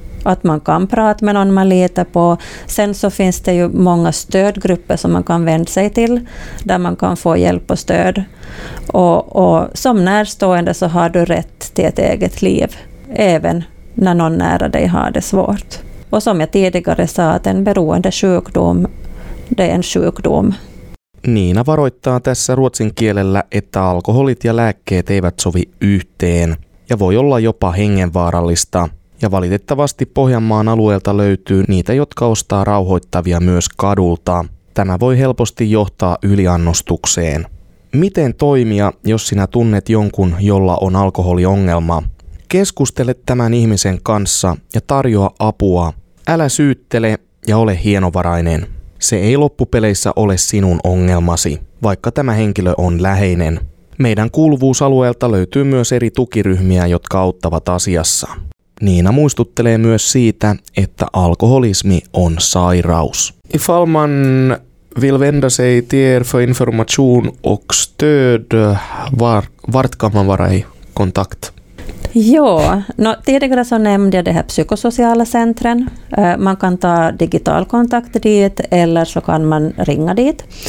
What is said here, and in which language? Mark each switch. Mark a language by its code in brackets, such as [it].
[sv] Att man kan prata med någon man litar på. Sen så finns det ju många stödgrupper som man kan vända sig till där man kan få hjälp och stöd. Och som närstående så har du rätt till ett eget liv även när någon nära dig har det svårt. Och som jag tidigare sa, att en beroende sjukdom, det är en sjukdom. [fi] Niina varoittaa tässä ruotsin kielellä, että alkoholit ja lääkkeet eivät sovi yhteen ja voi olla jopa hengenvaarallista. Ja valitettavasti Pohjanmaan alueelta löytyy niitä, jotka ostaa rauhoittavia myös kadulta. Tämä voi helposti johtaa yliannostukseen. Miten toimia, jos sinä tunnet jonkun, jolla on alkoholiongelma? Keskustele tämän ihmisen kanssa ja tarjoa apua. Älä syyttele ja ole hienovarainen. Se ei loppupeleissä ole sinun ongelmasi, vaikka tämä henkilö on läheinen. Meidän kuuluvuusalueelta löytyy myös eri tukiryhmiä, jotka auttavat asiassa. Niina muistuttelee myös siitä, että alkoholismi on sairaus. [sv] Ifall man vill vända sig till er för information och stöd, vart kan man vara i kontakt? Ja, no, tidigare så nämnde jag det här psykosociala centren. Man kan ta digital kontakt dit eller så kan man ringa dit.